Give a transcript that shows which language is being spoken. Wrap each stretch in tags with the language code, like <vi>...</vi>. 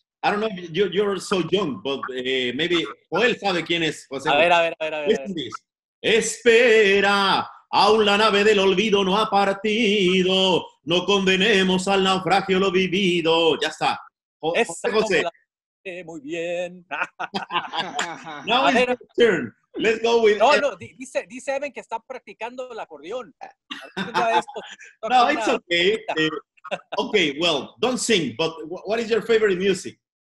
<en>I don't know if you're so young, but maybe Joel</en> <es>sabe quién es. A ver, a ver, a ver, a ver.</es> <en>Listen this.</en> <es>Espera, aún la nave del olvido no ha partido. No condenemos al naufragio lo vivido. Ya está. José. Muy bien.</es> <en>Now it's your turn. Let's go with.</en> <es>No, no, dice Evan que está practicando el acordeón.</es> <en>No, it's okay. Okay, well, don't sing, but what is your favorite music?</en>